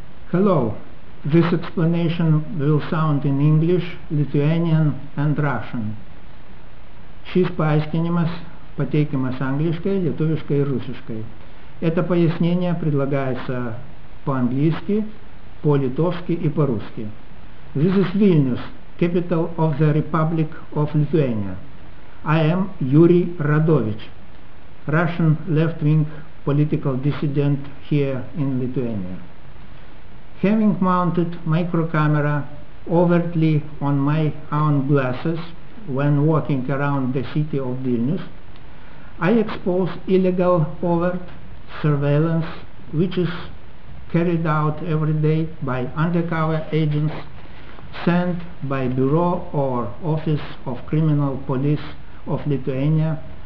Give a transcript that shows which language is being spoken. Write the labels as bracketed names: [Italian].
[English] Hello, this explanation will sound in English, Lithuanian and Russian. [Lithuanian] Šis paaiškinimas pateikiamas angliškai, lietuviškai ir rusiškai. [Russian] Это пояснение предлагается по-английски, по-литовски и по-русски. [English] This is Vilnius, capital of the Republic of Lithuania. I am Yuri Radovich, Russian left-wing political dissident here in Lithuania. Having mounted micro camera overtly on my own glasses when walking around the city of Vilnius, I expose illegal overt surveillance which is carried out every day by undercover agents sent by Bureau or Office of Criminal Police of Lithuania.